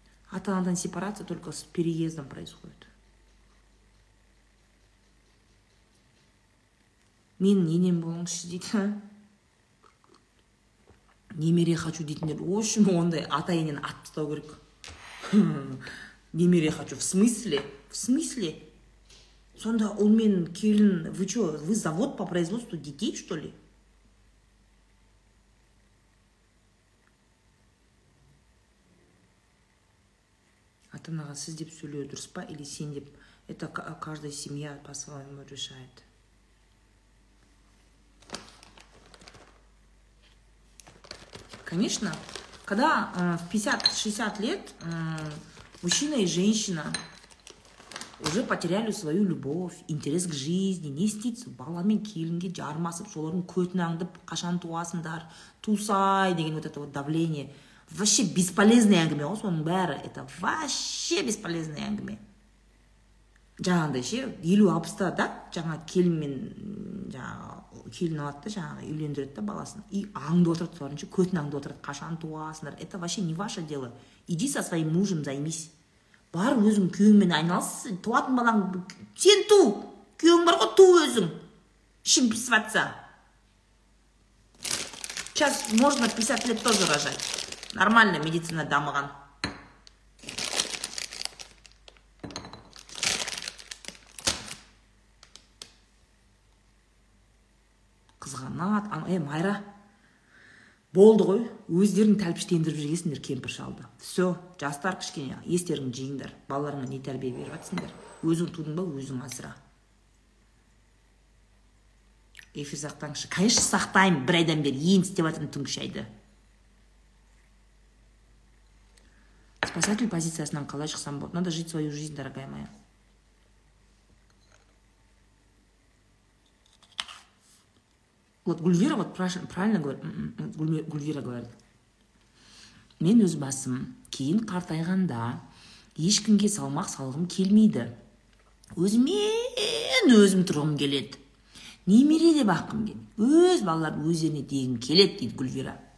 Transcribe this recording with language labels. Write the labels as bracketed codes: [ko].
[ru] Ата-анадан сепарация только с переездом происходит. [kk] Мен енем болыңызшы дейді. Немере хочу дейтіндер. Ошым ондай ата енен атып тастау керек. Немере хочу. [ru] В смысле? В смысле? [kk] Сонда ол мен келін, [ru] вы что, вы завод по производству детей, что ли? [kk] Ата-анаға сіз деп сөйлеу дұрыс па, или сен деп? [ru] Это каждая семья по-своему решает. Конечно, когда в 50-60 лет мужчина и женщина уже потеряли свою любовь, интерес к жизни, не стыдятся, [kk] баламен келінге жармасып, солардың көтін аңдып, қашан туасыңдар, тусай деген [ru] вот это вот давление. Вообще бесполезный әңгіме, осының бәрі, это вообще бесполезный әңгіме. [kk] Жаңында ше, 50-60-та да, жаңа келінмен, келін алады, жаңа үйлендіреді да баласын. И аңды отырды, соларыншы, көтін аңды отырды, қашан туасыңдар. [ru] Это вообще не ваше дело. Иди со своим мужем займись. [kk] Бар өзің күйіңмен айналысы, туатын балаң, сен ту, күйің бар қой, ту өзің. Ішім пісіп атса. [ru] Сейчас можно 50 лет тоже рожать. Нормально медицина дамыған. [kk] Майра, болды ғой, өздерің тәлпіштендіріп жүргесіңдер кемпір шалды. Все, жастар кішкене, естерің жиындар, балаларыңа не тәрбие беріп атсыңдар. Өзің тудың ба, өзің асыра. Эфир сақтаңшы, қайшы сақтайым бір айдан бер, ең істеп атын түнгі шайды. Спасатель позициясынан қалай шықсам болды, [ru] надо жить свою жизнь, дорогая моя. Вот Гульвира вот правильно говорит, Гульвира говорит. [kk] Мен өз басым кейін қартайғанда ешкімге салмақ салғым келмейді. Өзімен өзім тұрғым келеді. Немере де баққым келеді. Өз балалар өздеріне деген келеді дейді Гульвира.